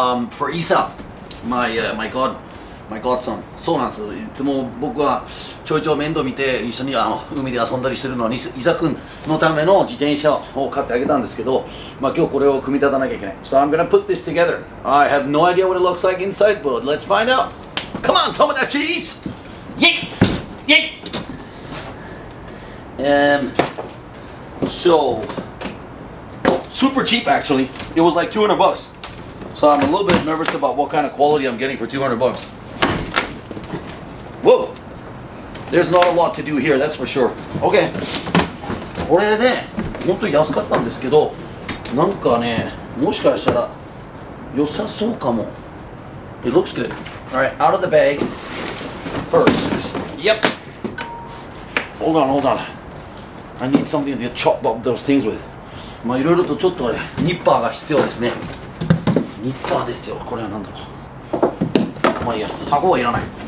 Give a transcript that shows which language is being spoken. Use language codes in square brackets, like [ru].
[en] For Isa, my godson. [ja] そうなんですよ。いつも僕はちょいちょい面倒見て一緒に海で遊んだりするのに、イサ君のための自転車を買ってあげたんですけど、まあ今日これを組み立たなきゃいけない。 [en] So I'm gonna put this together. I have no idea what it looks like inside, but let's find out. Come on, Tomodachis! Yay! Yay! So, super cheap actually. It was like $200. So I'm a little bit nervous about what kind of quality I'm getting for $200. Whoa! There's not a lot to do here, that's for sure. Okay. [ja] これね、本当に安かったんですけど、なんかね、もしかしたら良さそうかも。 [en] It looks good. Alright, out of the bag. First. Yep. Hold on, hold on. I need something to chop up those things with. [ja] まあいろいろとちょっとあれ、ニッパーが必要ですね。ニッパーですよ、これは何だろう。まあいいや、箱はいらない。